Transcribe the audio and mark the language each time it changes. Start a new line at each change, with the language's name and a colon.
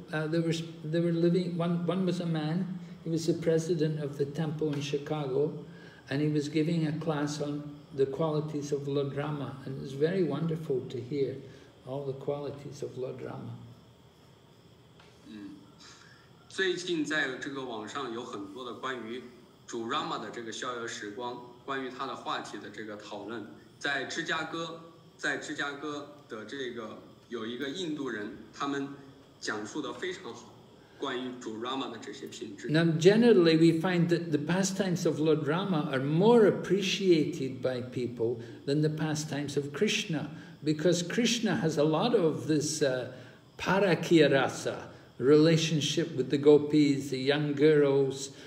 English: One was a man. He was the president of the temple in Chicago, and he was giving a class on the qualities of Lord Rama, and it was very wonderful to hear all the qualities of Lord Rama.
Chinese: 最近在这个网上有很多的关于主 Rama 的这个逍遥时光，关于他的话题的这个讨论。在芝加哥的这个有一个印度人，他们讲述的非常好。
English: Now, generally, we find that the pastimes of Lord Rama are more appreciated by people than the pastimes of Krishna, because Krishna has a lot of this parakya rasa, relationship with the gopis, the young girls.